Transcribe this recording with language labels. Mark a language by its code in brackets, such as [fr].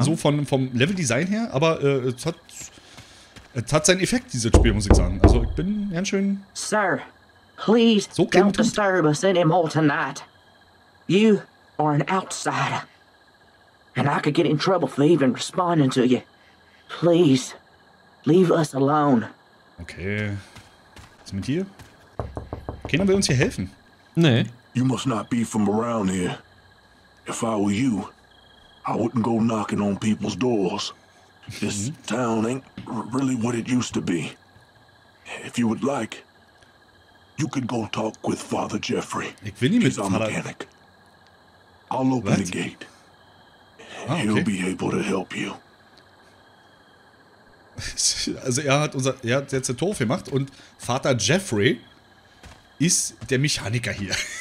[de] So vom Level-Design her, aber es hat seinen Effekt, dieses Spiel, muss ich sagen. Also ich bin ganz schön. [en] Sir, please so don't disturb us anymore tonight. You are an outsider. And I could get in trouble for even responding to you. Please, leave us alone. [de] Okay. Was ist mit dir? Keiner will uns hier helfen. Nee. [en] You must not be from around here. If I were you, I wouldn't go knocking on people's doors. This town ain't really what it used to be. If you would like, you could go talk with Father Jeffrey. [de] Ich will nicht mit Vater. [en] He's a mechanic. I'll open what? The gate. Ah, okay. He'll be able to help you. [de] Also er hat jetzt ein Tor gemacht und Vater Jeffrey ist der Mechaniker hier.